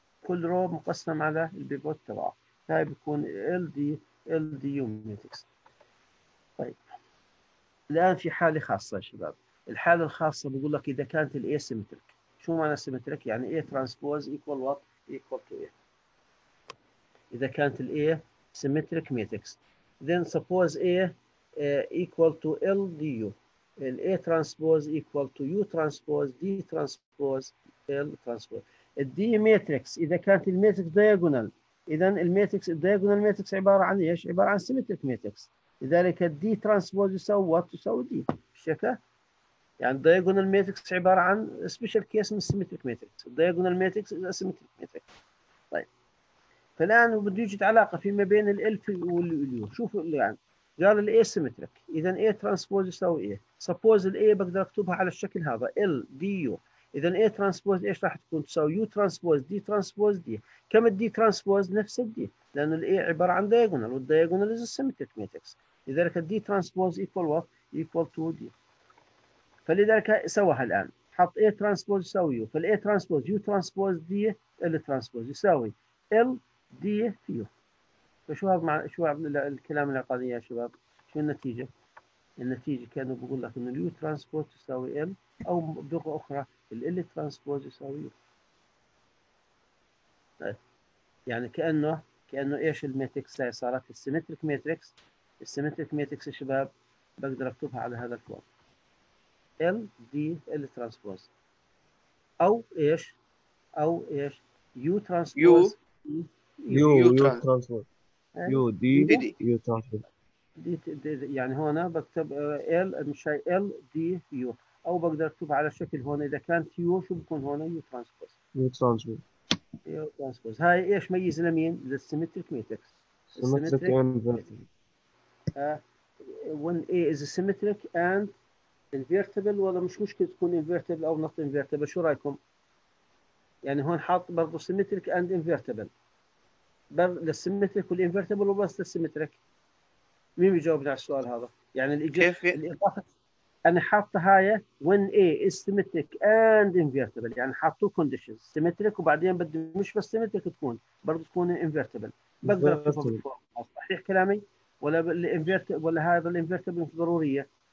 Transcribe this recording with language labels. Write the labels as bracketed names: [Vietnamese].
[Arabic] كل رو مقسم على البيفوت تبعه، هاي بيكون LDU matrix. طيب الآن في حالة خاصة يا شباب، الحالة الخاصة بيقول لك إذا كانت الـ asymmetric، شو معنى symmetric؟ يعني A transpose equal what؟ equal to A. إذا كانت الـ [English] A symmetric matrix then suppose A equal to LDU، الـ A transpose equal to U transpose D transpose L transpose. [Arabic] الدي ماتريكس اذا كانت الماتريكس دياجونال، اذا الماتريكس الدياجونال ماتريكس عباره عن ايش؟ عباره عن سيمتريك ماتريكس، لذلك الدي ترانسبوز يساوي وات؟ يساوي دي. شفتها؟ يعني الدياجونال ماتريكس عباره عن سبيشال كيس من سيمتريك ماتريكس، الدياجونال ماتريكس از سيمتريك ماتريكس. طيب فالان بده يوجد علاقه فيما بين الالف واليو، شوف يعني قال الاي سيمتريك، اذا اي ترانسبوز يساوي ايه؟ سبوز الاي بقدر اكتبها على الشكل هذا ال دي يو، إذا A ترانسبوز إيش راح تكون؟ تساوي U ترانسبوز D ترانسبوز D. كم الدي ترانسبوز؟ نفس الدي، لأن الـ A عبارة عن دياجونال، والـ دياجونال is a symmetric matrix. [English] لذلك الـ D transpose equal what؟ equal to D. [Arabic] فلذلك سواها الآن، حط A ترانسبوز يساوي U، فالـ A ترانسبوز U ترانسبوز D L ترانسبوز يساوي L D في U. فشو هذا معنى؟ شو الكلام العقلي يا شباب؟ شو النتيجة؟ النتيجة كانوا بيقول لك إن الـ U ترانسبوز تساوي L، أو بلغة أخرى ال ترانسبوز يساوي يعني كانه ايش الماتريكس هاي صارت السيمتريك ماتريكس، السيمتريك ماتريكس يا شباب بقدر اكتبها على هذا الكون ال دي ال ترانسبوز او ايش يو ترانسبوز [English] U transpose U D U transpose [Arabic] يعني هنا بكتب ال مش هاي ال دي يو، أو بقدر أكتبها على شكل هون إذا كانت يو شو بكون هون؟ يو ترانسبوز. [English] U transpose. U transpose. [Arabic] هاي إيش ميز لمين؟ للسيمتريك ماتريكس. [English] Symmetric invertible. When A is a symmetric and invertible، [Arabic] ولا مش مشكلة تكون [English] invertible أو not invertible، [Arabic] شو رأيكم؟ يعني هون حاط برضه [English] symmetric and invertible. [Arabic] بل للسيمتريك والانفيرتبل وبس للسيمتريك. مين بيجاوبني على السؤال هذا؟ يعني كيف؟ أنا حاطة هاي [English] when A is symmetric and invertible، [Arabic] يعني حاط two conditions symmetric وبعدين بدي مش بس symmetric تكون برضو تكون invertible، بقدر صحيح كلامي ولا invertible ولا هذا invertible مش ضرورية؟